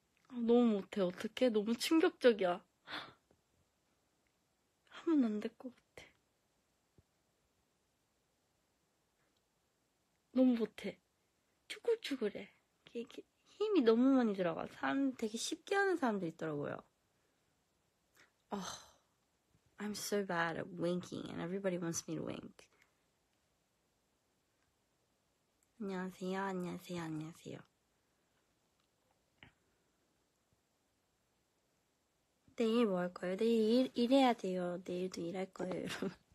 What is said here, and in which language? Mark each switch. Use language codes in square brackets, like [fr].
[ko] 너무 못해. 어떡해? 너무 충격적이야. 하면 안 될 거. 너무 못해. 쭈글쭈글해. 힘이 너무 많이 들어가. 사람 되게 쉽게 하는 사람도 있더라고요. [en] Oh, I'm so bad at winking and everybody wants me to wink. [ko] 안녕하세요, 안녕하세요, 안녕하세요. 내일 뭐 할 거예요? 내일 일해야 돼요. 내일도 일할 거예요, 여러분.